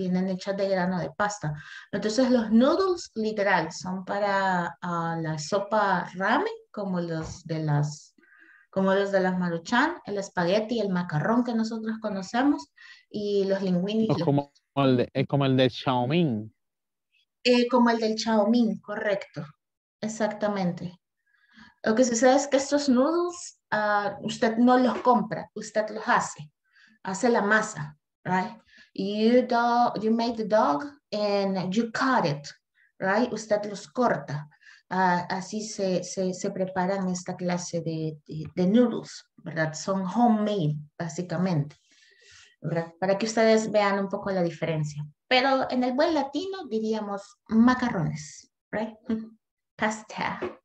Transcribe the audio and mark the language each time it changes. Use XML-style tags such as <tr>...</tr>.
<es>Vienen hechas de grano de pasta. Entonces los noodles literal son para la sopa ramen, como los de las, como los de las maruchan, el espagueti, el macarrón que nosotros conocemos, y los linguini. Es como, como el del chow mein. Como el del chow mein, correcto. Exactamente. Lo que sucede es que estos noodles, usted no los compra, usted los hace. Hace la masa, right?</es> <en>You make the dog and you cut it, right?</en> <es>Usted los corta. Así se preparan esta clase de noodles, ¿verdad? Son homemade, básicamente, ¿verdad? Para que ustedes vean un poco la diferencia. Pero en el buen latino diríamos macarrones, ¿verdad? Pasta.</es>